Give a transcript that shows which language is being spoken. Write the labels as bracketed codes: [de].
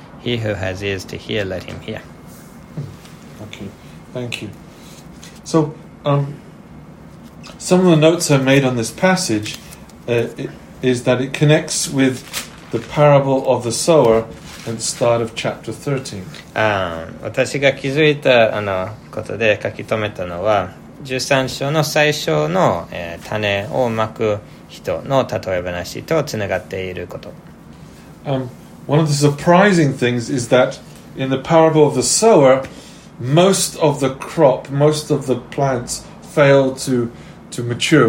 [en] He who has ears to hear, let him hear." Okay. Thank you. So, some of the notes I made on this passage is that it connects with the parable of the sower at the start of chapter 13. [ja] 私が気づいたことで書き留めたのは、13章の最初の、種をまく人の例え話とつながっていること。 [en] One of the surprising things is that in the parable of the sower,Most of the crop, most of the plants fail to mature.